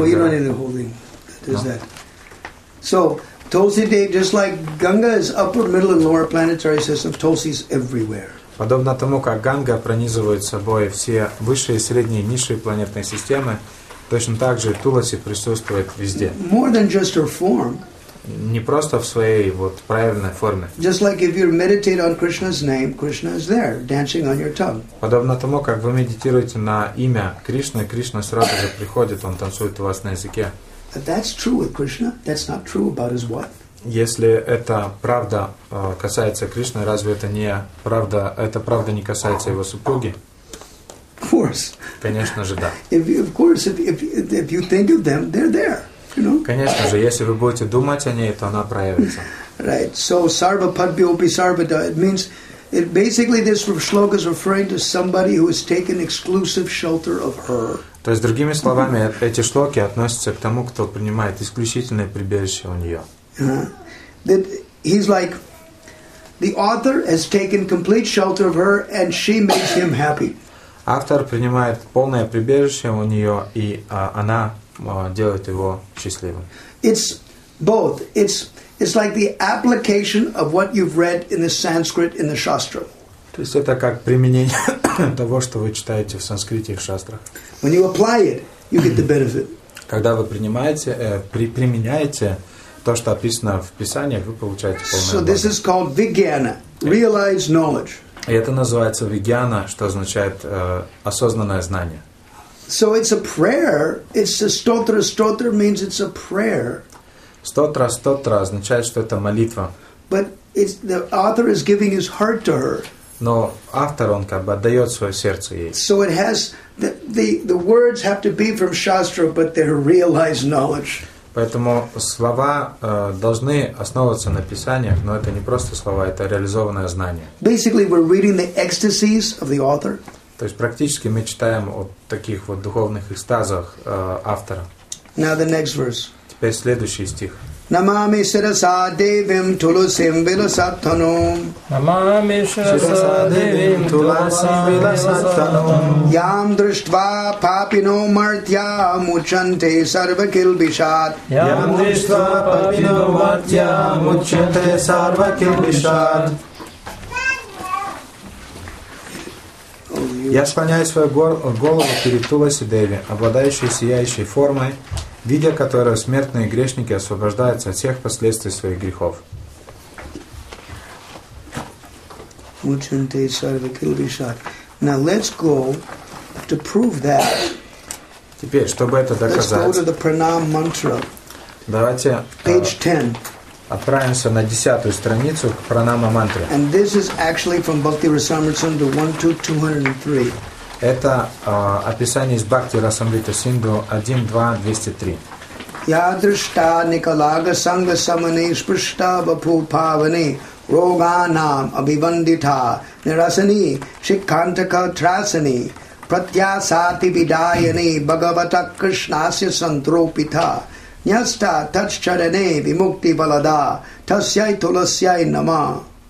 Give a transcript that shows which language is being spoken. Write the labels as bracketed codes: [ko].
[ru] в горах. [en] So, Tulsi Devi, just like Ganga's upper, middle, and lower planetary systems, Tulsi's everywhere. [ru] Подобно тому, как Ганга пронизывает собой все высшие, средние, низшие планетные системы, точно так же Туласи присутствует везде. [en] More than just her form. [ru] Не просто в своей вот правильной форме. [en] Just like if you meditate on Krishna's name, Krishna is there, dancing on your tongue. [ru] Подобно тому, как вы медитируете на имя Кришны, Кришна сразу же приходит, он танцует у вас на языке. [en] But that's true with Krishna. That's not true about his wife. [ru] Если это правда касается Кришны, разве это не правда? Это правда не касается его супруги? [en] Of course. [ru] Конечно же, да. [en] If you think of them, they're there. You know. [ru] Конечно же, если вы будете думать о ней, то она проявится. [en] Right. So [sa] sarva padbhyopi sarvada. [en] It means, it basically this shloka is referring to somebody who has taken exclusive shelter of her. [ru] То есть, другими словами, эти шлоки относятся к тому, кто принимает исключительное прибежище у нее. [en] That he's like, the author has taken complete shelter of her, and she makes him happy. [ru] Автор принимает полное прибежище у нее, и она делает его счастливым. [en] It's both. It's like the application of what you've read in the Sanskrit in the Shastra. [ru] То есть это как применение того, что вы читаете в санскрите и в шастрах. [en] When you apply it, you get the benefit. [ru] Когда вы принимаете, применяете то, что описано в Писаниях, вы получаете полное благо. [en] So this is called vijnana. realized knowledge. [ru] И это называется вигьяна, что означает осознанное знание. [en] So it's a prayer. It's a stotra. Stotra means it's a prayer. [ru] Stotra, stotra означает, что это молитва. [en] But it's, the author is giving his heart to her. [ru] Но автор, он как бы отдает свое сердце ей. [en] So it has the words have to be from Shastra, but they're realized knowledge. [ru] Поэтому слова должны основываться на писаниях, но это не просто слова, это реализованное знание. [en] Basically, we're reading the ecstasies of the author. [ru] То есть практически мы читаем о таких вот духовных экстазах автора. [en] Now the next verse. [ru] Теперь следующий стих. [sa] Намами сираса девим тулусим виласаттанум. Намами сираса девим тулусим виласаттанум. Ям дриштва папино мартья мучанте сарвакилбишат. Ям дриштва папино мартья мучанте сарвакилбишат. [ru] Я склоняю свою голову перед Туласи Деви, обладающей сияющей формой, видя которую смертные грешники освобождаются от всех последствий своих грехов. [en] Now let's go to prove that. [ru] Теперь, чтобы это доказать, [en] let's go to the pranam mantra. [ru] Давайте [en] page 10. [ru] Отправимся на 10-ю страницу к пранама мантре. [en] And this is actually from Bhakti Rasamrita Sindhu 1.2.203. [ru] Это описание из Бхакти Расамрита Синдху 1.2.203. [sa] Ядришта Николага Санга Самани Спришта Бапу Павани Роганам Абивандита Нирасани Шикантака Трасани Пратьясати Видаяни Бхагавата Кришнасья Сантропита Ньяста Таччарене Вимукти Валада Тасьяй Туласьяй Нама.